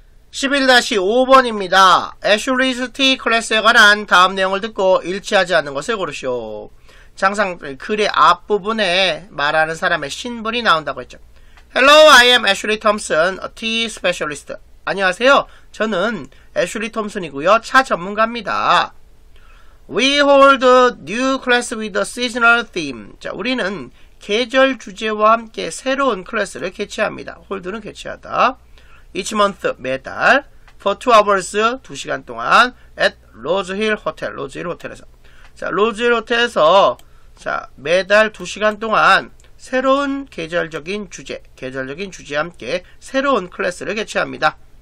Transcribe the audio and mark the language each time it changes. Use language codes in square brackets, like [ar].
[ko] 11-5번입니다. 애슐리 스티 클래스에 관한 다음 내용을 듣고 일치하지 않는 것을 고르시오. 장상 글의 앞부분에 말하는 사람의 신분이 나온다고 했죠. [en] Hello, I am Ashley Thompson, a tea specialist. [ko] 안녕하세요. 저는 애슐리 톰슨이고요. 차 전문가입니다. [en] We hold a new class with a seasonal theme. [ko] 자, 우리는 계절 주제와 함께 새로운 클래스를 개최합니다. Hold는 개최하다. [en] Each month, [ko] 매달, [en] for 2 hours, [ko] 2시간 동안, at Rose Hill Hotel, Rose Hill Hotel에서. 자, Rose Hill Hotel에서, 자, 매달 2시간 동안, 새로운 계절적인 주제, 계절적인 주제와 함께, 새로운 클래스를 개최합니다.